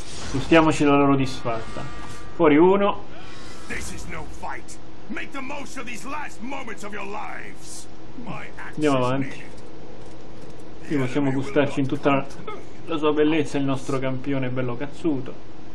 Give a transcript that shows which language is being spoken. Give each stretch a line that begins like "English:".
Italian: Gustiamoci la loro disfatta. Fuori uno.
English: This is no fight. Make the most of these last moments of your lives.
Italian: Andiamo avanti. Qui possiamo gustarci in tutta la sua bellezza il nostro campione bello cazzuto.